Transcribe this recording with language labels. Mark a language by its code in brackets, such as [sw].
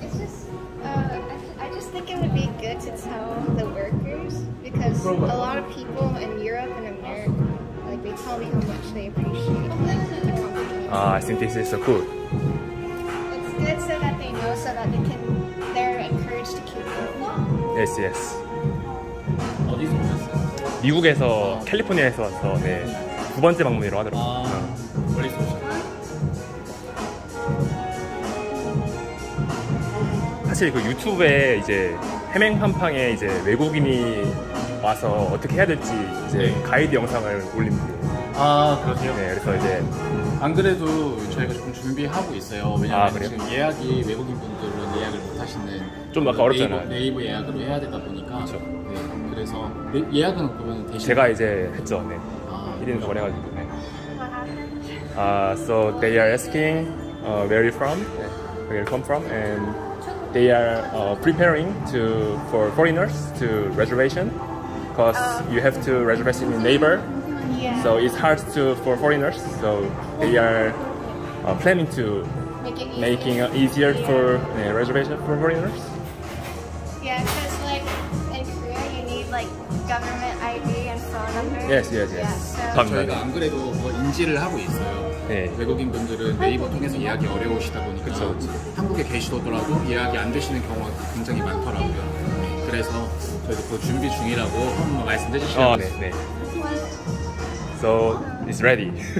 [en] It's just, I just think it would be good to tell the workers because a lot of people in Europe and America, like, they tell me how much they appreciate the company. Ah, I think this is so cool. It's good so that they know so that they're encouraged to keep going. Yes, yes. [ko] 미국에서 캘리포니아에서 왔어. 네. 두 번째 방문이라고 하더라고. 사실 그 유튜브에 이제 햄햄팡팡에 이제 외국인이 와서 어떻게 해야 될지 이제 네. 가이드 영상을 올립니다. 아, 그러세요? 네, 그래서 이제 안 그래도 저희가 조금 준비하고 있어요. 왜냐면 아, 지금 예약이 외국인분들은 예약을 못 하시는 좀 아까 어렵잖아요. 네이버 예약으로 해야 되다 보니까 그렇죠. 네, 그래서 예약은 그러면 대신 제가 이제 했죠. 네. 아, 1인 거래 가지고. 네. [en] So they are asking where you from? Where you come from? And they are preparing to for foreigners to reservation because you have to reservation in neighbor. Yeah. So it's hard to for foreigners. So they are planning to making it easier for reservation for foreigners. Yeah, because like in Korea, you need like government ID and phone number. Yes, yes, yes. Yeah, so [ko] 저희가 안 그래도 뭐 인지를 하고 있어요. 네. 외국인 분들은 네이버 통해서 예약이 어려우시다 보니까 그쵸. 한국에 계시더라도 예약이 안 되시는 경우가 굉장히 많더라고요. 그래서 저희도 그 준비 중이라고 한번 말씀해 주시면 어, 네, 네. [en] So it's ready.